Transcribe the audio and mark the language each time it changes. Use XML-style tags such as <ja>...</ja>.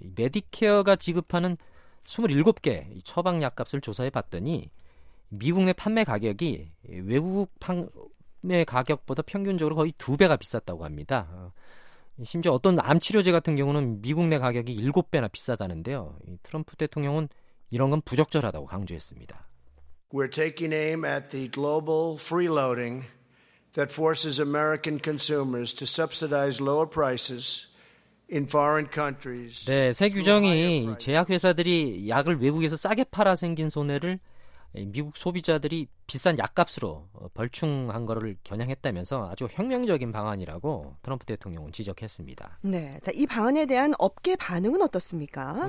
<ko>메디케어가 지급하는 27개 처방 약값을 조사해 봤더니 미국 내 판매 가격이 외국 판매 가격보다 평균적으로 거의 두 배가 비쌌다고 합니다. 심지어 어떤 암치료제 같은 경우는 미국 내 가격이 7배나 비싸다는데요. 트럼프 대통령은 이런 건 부적절하다고 강조했습니다.</ko> <en>We're taking aim at the global freeloading that forces American consumers to subsidize lower prices in foreign countries.</en> <ko>네, 새 규정이 제약회사들이 약을 외국에서 싸게 팔아 생긴 손해를 미국 소비자들이 비싼 약값으로 벌충한 것을 겨냥했다면서 아주 혁명적인 방안이라고 트럼프 대통령은 지적했습니다. 네, 자, 이 방안에 대한 업계 반응은 어떻습니까?</ko>